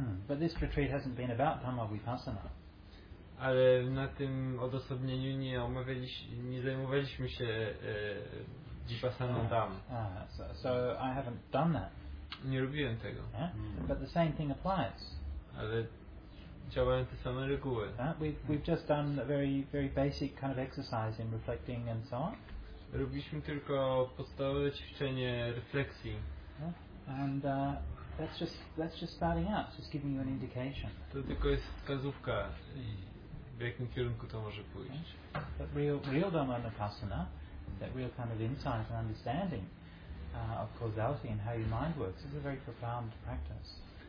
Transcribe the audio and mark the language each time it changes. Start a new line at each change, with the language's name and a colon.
English: But this retreat hasn't been about Dhamma Vipassana.
Polish: Ale na tym odosobnieniu nie zajmowaliśmy się Vipassaną Dham.
English: So I haven't done that.
Polish: Nie robiłem tego.
English: Yeah? But the same thing applies.
Polish: Ale działają te same reguły.
English: We've just done a very, very basic kind of exercise in reflecting and so on.
Polish: Robiliśmy tylko podstawowe ćwiczenie refleksji.
English: And that's just starting out, just giving you an indication.
Polish: To tylko jest wskazówka, w jakim kierunku to może pójść.
English: But real Dhamma Vipassana, that real kind of insight and understanding of causality and how your mind works, is a very profound practice.